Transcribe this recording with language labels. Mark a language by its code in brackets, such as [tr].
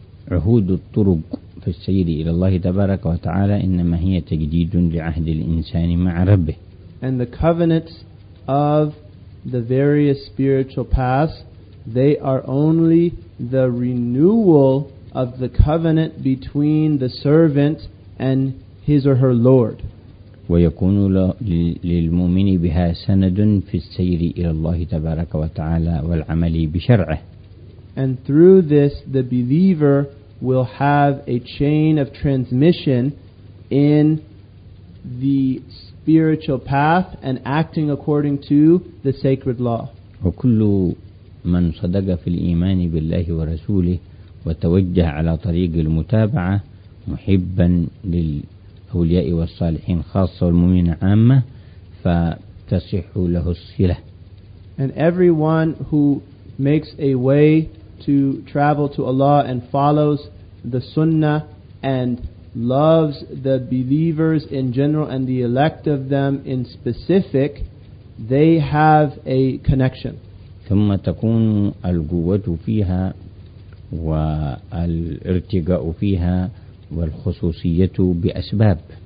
[ar] وعهود الطرق في السير إلى الله تبارك وتعالى إنما هي تجديد لعهد الإنسان مع ربه. [en] And the covenants of the various spiritual paths, they are only the renewal of the covenant between the servant and his or her Lord. [ar] ويكون للمؤمن بها سند في السير إلى الله تبارك وتعالى والعمل بشرعه. [en] And through this, the believer will have a chain of transmission in the spiritual path and acting according to the sacred law. [ar] وكل من صدق في الإيمان بالله ورسوله وتوجه على طريق المتابعة محبا للأولياء والصالحين خاصة والمؤمنين عامة فتصح له الصلة. [en] And everyone who makes a way to travel to Allah and follows the Sunnah and loves the believers in general and the elect of them in specific, they have a connection. [ar] ثم تكون القوة فيها والارتقاء فيها والخصوصية بأسباب.